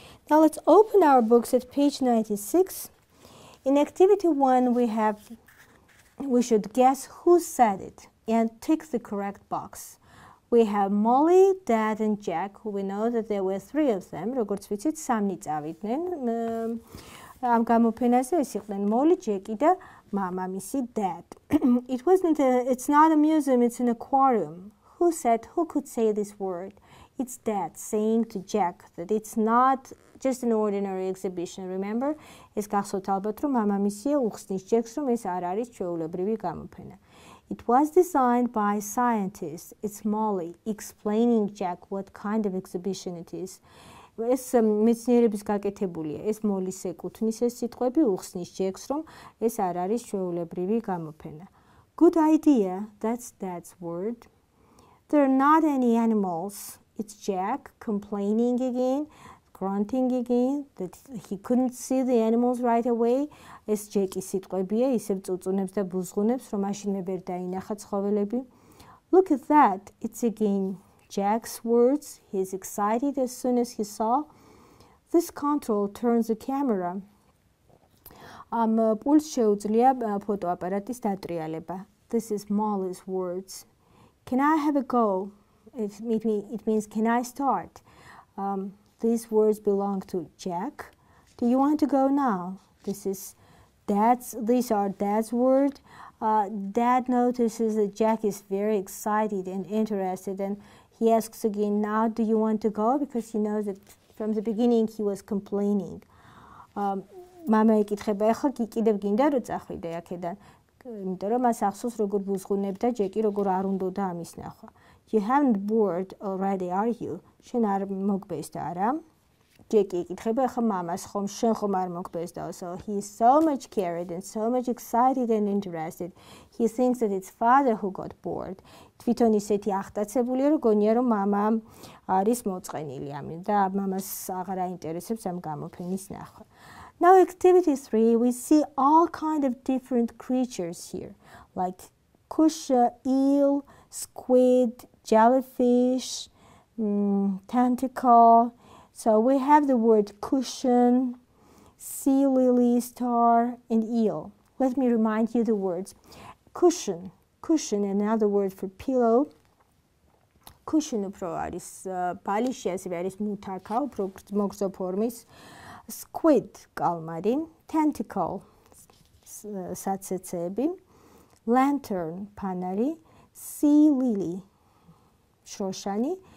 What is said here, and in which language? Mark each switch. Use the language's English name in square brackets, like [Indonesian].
[English] Now let's open our books at page 96. In activity 1, we should guess who said it and tick the correct box. We have Molly, Dad, and Jack. We know that there were 3 of them. [Georgian] Როგორც ვიცით, სამი წავიდნენ. Ამ გამოფენაზე ეს იყვნენ Molly, Jackie, და Mama, Missy, Dad. [English] It's not a museum, it's an aquarium. Who said, who could say this word? It's Dad saying to Jack that it's not just an ordinary exhibition, remember? [Georgian] Ეს გახსოვთ ალბათ, რომ Mama, Missy, უხსნის Jack's, რომ ეს არ არის ჩვეულებრივი გამოფენა. [English] It was designed by scientists. It's Molly explaining Jack what kind of exhibition it is. [Georgian] ეს მეცნიერების გაკეთებულია. ეს მოლის ეკუთვნის ეს სიტყვები უხსნის ჯექს, რომ ეს არ არის ჩვეულებრივი გამოფენა. [English] Good idea. That's Dad's word. There are not any animals. It's Jack complaining again, grunting again, that he couldn't see the animals right away. [Georgian] ეს ჯეკის სიტყვებია, ისევ წუწუნებს და ბუზღუნებს, რომ მაშინვე ვერ დაინახა ცხოველები. [English] Look at that. It's again Jack's words. He's excited as soon as he saw. This control turns the camera. [Georgian] Ამ პულს შეუძლია ფოტოაპარატის დატრიალება. [English] This is Molly's words. Can I have a go? It means, can I start? These words belong to Jack. Do you want to go now? These are Dad's words. Dad notices that Jack is very excited and interested, and he asks again, now do you want to go? Because he knows that from the beginning he was complaining. [Georgian] Mama ეკითხება, ეხლა კიდევ გინდა რომ წახვიდე აქედან, იმიტომ რომ მას ახსოვს როგორ ბუზღუნებდა ჯეკი, როგორ არ უნდოდა ამის ნახვა. [English] You haven't bored already, are you? [Georgian] შენ არ მოგბესდა არა? ჯეკი ეკითხება ახლა მამას, ხომ შენ ხომ არ მოგბესდაო? [English] So he is so much carried and so much excited and interested. He thinks that it's father who got bored. [Georgian] თვითონ ისეთი ახტაცებულია, რომ გონია, რომ მამა არის მოწყენილი ამ და მამას აღარ აინტერესებს ამ გამოფენის ნახვა. [English] Now activity 3, we see all kind of different creatures here, like kusha, eel, squid, jellyfish, tentacle. So we have the word cushion, sea lily, star, and eel. Let me remind you the words. Cushion. Cushion, another word for pillow. [Georgian] Cushion უფრო არის ბალიში, ასევე არის მუთაკა, უფრო მოგრძო ფორმის. [English] Squid, კალმარი. Tentacle, საცეცები. Lantern, ფანარი. Sea lily, შროშანი.